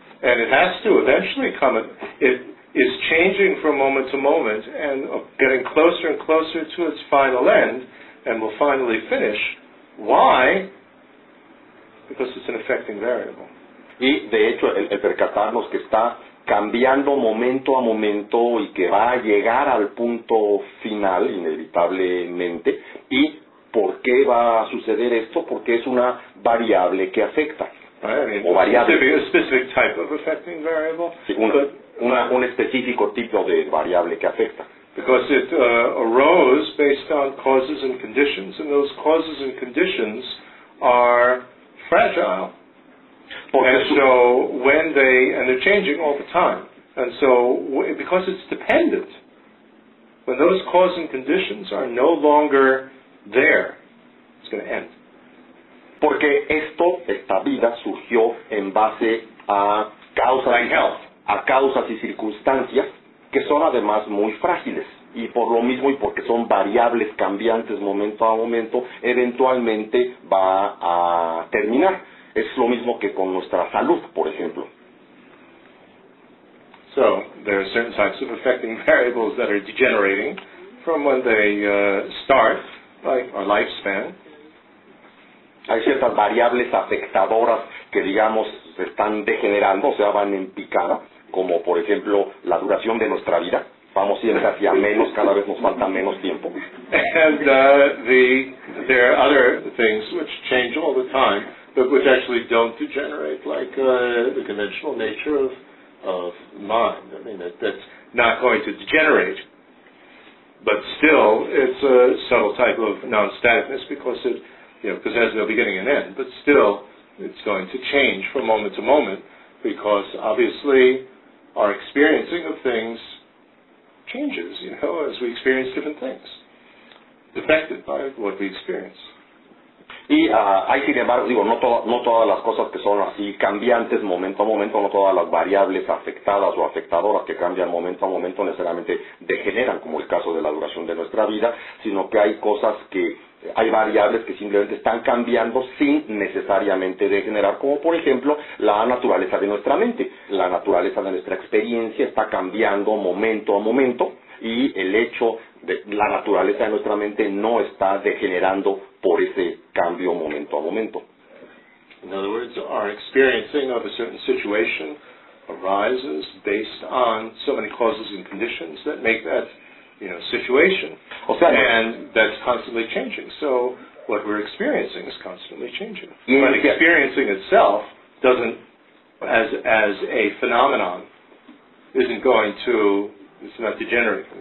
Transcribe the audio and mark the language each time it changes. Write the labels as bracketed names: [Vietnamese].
[English] And it has to eventually come. It is changing from moment to moment and getting closer and closer to its final end and will finally finish. Why? Because it's an affecting variable. [Spanish] Y de hecho el percatarnos que está cambiando momento a momento y que va a llegar al punto final inevitablemente. ¿Y por qué va a suceder esto? Porque es una variable que afecta. [English] Right, I mean, o variable. A specific type of affecting variable. [Spanish] Sí, un específico tipo de variable que afecta. [English] Because it arose based on causes and conditions, and those causes and conditions are fragile. [Spanish] Porque [English] and they're changing all the time. And so, because it's dependent, when those causes and conditions are no longer there, it's going to end. [Spanish] Porque esto, esta vida, surgió en base a causas, [English] like health, [Spanish] a causas y circunstancias que son además muy frágiles. Y por lo mismo, y porque son variables cambiantes momento a momento, eventualmente va a terminar. Es lo mismo que con nuestra salud, por ejemplo. So, there are certain types of affecting variables that are degenerating from when they start, like our lifespan. Hay ciertas variables afectadoras que, digamos, se están degenerando, o sea, van en picada, como por ejemplo la duración de nuestra vida. Vamos siempre hacia menos, cada vez nos falta menos tiempo. [English] And there are other things which change all the time, but which actually don't degenerate, like the conventional nature of mind. I mean, that's not going to degenerate, but still, it's a subtle type of non-staticness because it, you know, because it has no beginning and end, but still, it's going to change from moment to moment because obviously our experiencing of things changes, you know, as we experience different things, affected by what we experience. [Spanish] Y hay, sin embargo, digo, no todas las cosas que son así cambiantes momento a momento, no todas las variables afectadas o afectadoras que cambian momento a momento necesariamente degeneran, como el caso de la duración de nuestra vida, sino que hay cosas que, hay variables que simplemente están cambiando sin necesariamente degenerar, como por ejemplo la naturaleza de nuestra mente. La naturaleza de nuestra experiencia está cambiando momento a momento y el hecho de la naturaleza de nuestra mente no está degenerando por ese cambio momento a momento. [English] In other words, our experiencing of a certain situation arises based on so many causes and conditions that make that, you know, situation. [Spanish] O sea, [English] and that's constantly changing. So what we're experiencing is constantly changing. But experiencing itself doesn't, as a phenomenon, isn't going to, it's not degenerating.